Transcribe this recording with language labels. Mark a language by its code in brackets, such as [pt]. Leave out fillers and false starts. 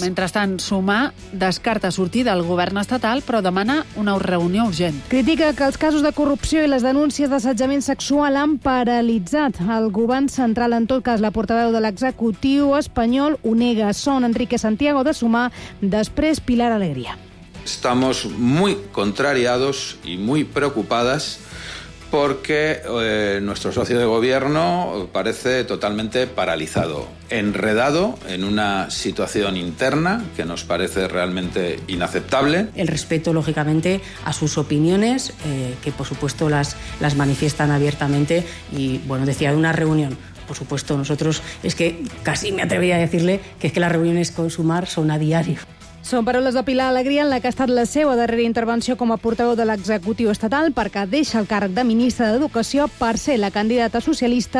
[ca] Mentrestant, Sumar descarta sortir del govern estatal, però demana una reunió urgent. Critica que els casos de corrupció i les denúncies d'assetjament sexual han paralitzat el govern central. En tot cas, la portaveu de l'executiu espanyol ho nega. Son Enrique Santiago, de Sumar, després Pilar Alegría. [es] Estamos muy contrariados y muy preocupadas porque nuestro socio de gobierno parece totalmente paralizado, enredado en una situación interna que nos parece realmente inaceptable. El respeto, lógicamente, a sus opiniones, que por supuesto las manifiestan abiertamente, y bueno, decía de una reunión. Por supuesto, nosotros, es que casi me atrevería a decirle que es que las reuniones con Sumar son a diario. [ca] Són paraules de Pilar Alegría, en la que ha estat la seva darrera intervenció com a portaveu de l'executiu estatal, perquè deixa el càrrec de ministra d'Educació per ser la candidata socialista